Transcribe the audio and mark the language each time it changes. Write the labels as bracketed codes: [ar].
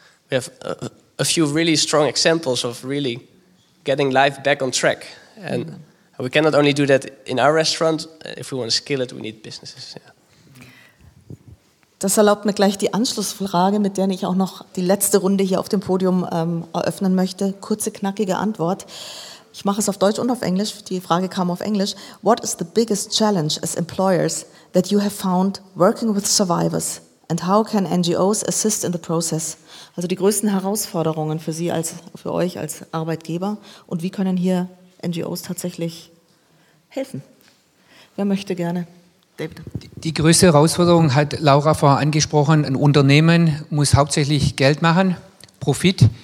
[en] we have a few really strong examples of really getting life back on track. And we cannot only do that in our restaurant. If we want to scale it, we need businesses. Yeah. [de] Das erlaubt mir gleich die Anschlussfrage, mit der ich auch noch die letzte Runde hier auf dem Podium eröffnen möchte. Kurze, knackige Antwort. Ich mache es auf Deutsch und auf Englisch. Die Frage kam auf Englisch. [en] What is the biggest challenge as employers that you have found working with survivors? And how can NGOs assist in the process? [de] Also die größten Herausforderungen für Sie als für euch als Arbeitgeber. Und wie können hier NGOs tatsächlich helfen? Wer möchte gerne? David. Die größte Herausforderung hat Laura vorher angesprochen. Ein Unternehmen muss hauptsächlich Geld machen, Profit.